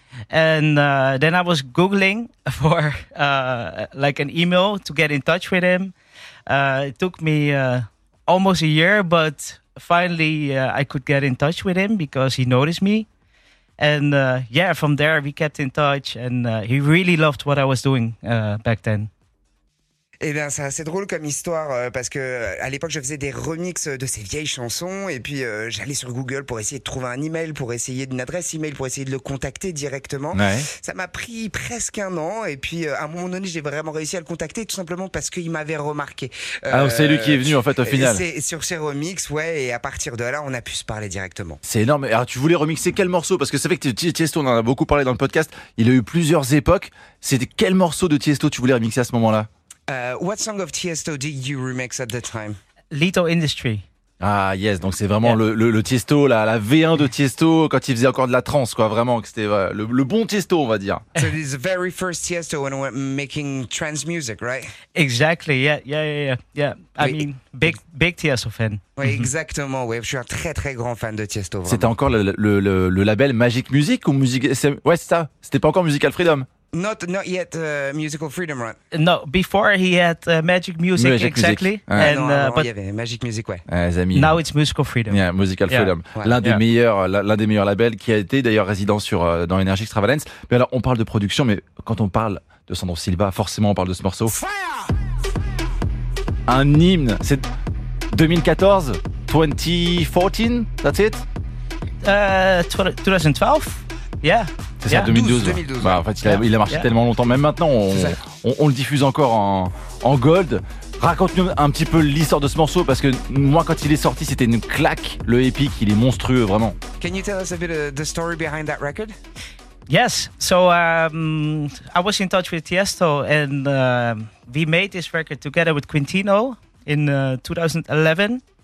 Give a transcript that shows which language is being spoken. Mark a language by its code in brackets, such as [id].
[en] And then I was googling for like an email to get in touch with him. It took me almost a year, but finally I could get in touch with him because he noticed me. And from there we kept in touch and he really loved what I was doing back then. [fr] Eh bien, c'est assez drôle comme histoire parce que à l'époque je faisais des remixes de ces vieilles chansons et puis j'allais sur Google pour essayer de trouver un email, pour essayer d'une adresse email, pour essayer de le contacter directement. Ouais. Ça m'a pris presque un an et puis à un moment donné j'ai vraiment réussi à le contacter tout simplement parce qu'il m'avait remarqué. C'est lui qui est venu en fait au final. C'est sur ses remixes, ouais, et à partir de là on a pu se parler directement. C'est énorme. Alors tu voulais remixer quel morceau? Parce que c'est vrai que Tiesto, on en a beaucoup parlé dans le podcast, il a eu plusieurs époques. C'était quel morceau de Tiesto tu voulais remixer à ce moment-là? [en] What song of Tiësto did you remix at the time? Little Industry. [fr] Ah yes, donc c'est vraiment le Tiësto, la V1 de Tiësto quand il faisait encore de la trance, quoi, vraiment, que c'était le bon Tiësto, on va dire. [en] So this is the very first Tiësto when we're making trance music, right? Exactly, yeah. I mean, big Tiësto fan. [fr] Oui, exactement, oui, je suis un très très grand fan de Tiësto, vraiment. C'était encore le label Magic Music ou Music... Ouais, c'est ça, c'était pas encore Musical Freedom. [en] Not yet Musical Freedom, right? No, before he had Magic Music, exactly. [fr] Ah, and, non, avant, but... il y avait Magic Music, ouais. Ah, les amis, [en] now it's Musical Freedom. Yeah, Musical Freedom. Ouais. [fr] L'un des meilleurs labels qui a été d'ailleurs résident dans Energy Extravalence. Mais alors, on parle de production, mais quand on parle de Sandro Silva, forcément, on parle de ce morceau. Fire! Un hymne. C'est 2014, 2014, [en] that's it? 2012, yeah. [fr] C'est ça, 2012. 2012, ouais. 2012. Bah, en fait, il a marché tellement longtemps. Même maintenant, on le diffuse encore en gold. Raconte-nous un petit peu l'histoire de ce morceau, parce que moi, quand il est sorti, c'était une claque. Le EPIC, il est monstrueux, vraiment. [en] Can you tell us a bit of the story behind that record? Yes. So, I was in touch with Tiësto and we made this record together with Quintino in 2011.